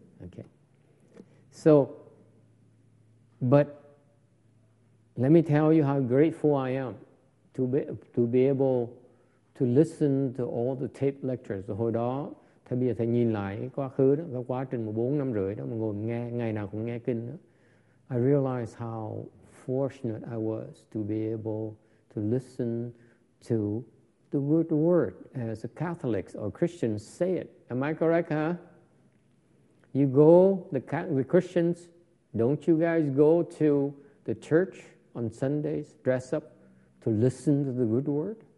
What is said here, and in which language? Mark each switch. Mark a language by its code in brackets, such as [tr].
[en] Okay. So, but let me tell you how grateful I am to be able to listen to all the tape lectures. [vi] Hồi đó, thầy bây giờ thầy nhìn lại quá khứ đó, cái quá trình 4 năm rưỡi đó mà ngồi nghe, ngày nào cũng nghe kinh đó. [en] I realized how fortunate I was to be able to listen to the good word as the Catholics or Christians say it. Am I correct, huh? You go, the Christians, don't you guys go to the church on Sundays, dress up to listen to the good word?